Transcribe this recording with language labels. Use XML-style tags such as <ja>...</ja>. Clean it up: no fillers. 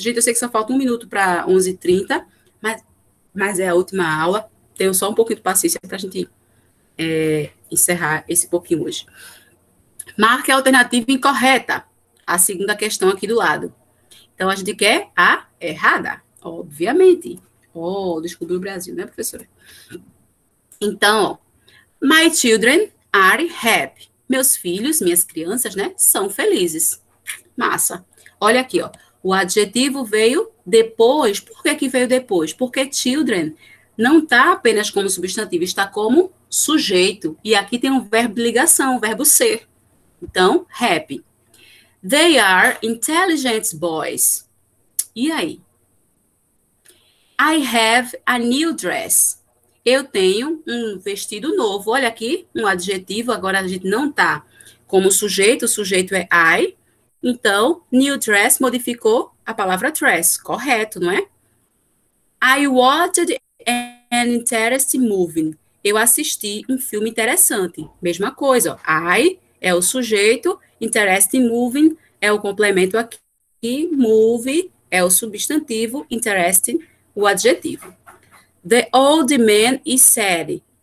<pt>Gente, eu sei que só falta 1 minuto para 11h30, mas é a última aula. Tenho só um pouquinho de paciência para a gente encerrar esse pouquinho hoje. Marque a alternativa incorreta. A segunda questão aqui do lado. Então, a gente quer a errada, obviamente. Oh, descobriu o Brasil, né, professora? Então, ó,</pt> <en>my children are happy.</en> <pt>Meus filhos, minhas crianças, né, são felizes. Massa. Olha aqui, ó. O adjetivo veio depois. Por que que veio depois? Porque children não está apenas como substantivo, está como sujeito. E aqui tem um verbo de ligação, um verbo ser. Então, happy.</pt> <en>They are intelligent boys.</en> <pt>E aí?</pt> <en>I have a new dress.</en> <pt>Eu tenho um vestido novo. Olha aqui, um adjetivo. Agora a gente não tá como sujeito. O sujeito é I. Então,</pt> <en>new dress</en> <pt>modificou a palavra dress. Correto, não é?</pt> <en>I watched an interesting movie.</en> <pt>Eu assisti um filme interessante. Mesma coisa. Ó. I é o sujeito.</pt> <en>Interesting movie.</en> <pt>É o complemento aqui. Move é o substantivo.</pt> <en>Interesting,</en> <pt>o adjetivo.</pt> <en>The old man is sad.</en>